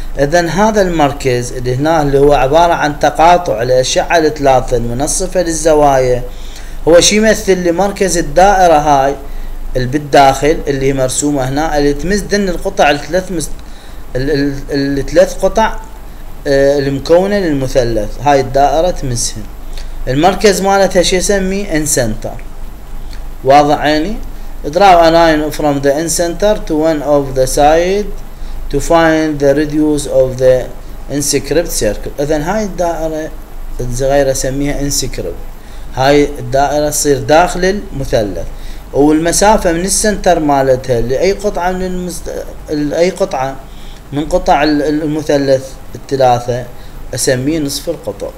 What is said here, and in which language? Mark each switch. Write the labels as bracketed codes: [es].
[ar] إذا هذا المركز اللي هنا اللي هو عبارة عن تقاطع الأشعة الثلاثة المنصفة للزوايا هو شيء يمثل لمركز الدائرة هاي بالداخل اللي هي مرسومة هنا اللي تمس دن القطع الثلاث الثلاث قطع المكونة للمثلث. هاي الدائرة تمسهن. المركز مالتها شو يسميه؟ ان سنتر. واضح يعني؟ [en] draw a line from the in center to one of the side to find the radius of the inscribed circle. [ar] اذا هاي الدائرة الصغيرة سميها inscribed. هاي الدائرة تصير داخل المثلث. والمسافة من السنتر مالتها لأي قطعة من أي قطعة من قطع المثلث الثلاثة أسميه نصف القطر.